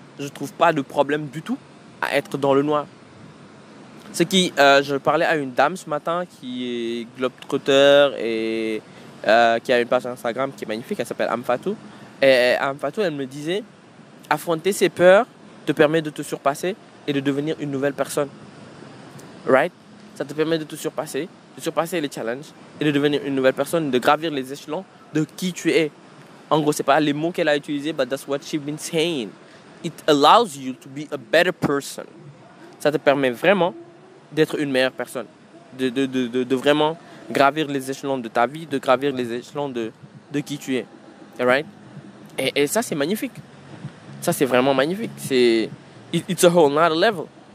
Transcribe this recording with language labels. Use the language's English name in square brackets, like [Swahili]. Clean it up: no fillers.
[French] Je trouve pas de problème du tout à être dans le noir. Ce qui, je parlais à une dame ce matin qui est globetrotter et qui a une page Instagram qui est magnifique. Elle s'appelle Amfatou. Et Amfatou, elle me disait, affronter ses peurs te permet de te surpasser et de devenir une nouvelle personne. Right? Ça te permet de te surpasser, de surpasser les challenges et de devenir une nouvelle personne, de gravir les échelons de qui tu es. En gros, c'est pas les mots qu'elle a utilisés, [English] but that's what she's been saying. It allows you to be a better person. [French] Ça te permet vraiment d'être une meilleure personne, de vraiment gravir les échelons de ta vie, de gravir les échelons de qui tu es. Right? Et ça, c'est magnifique. Ça, c'est vraiment magnifique. [English] It's a whole nother level.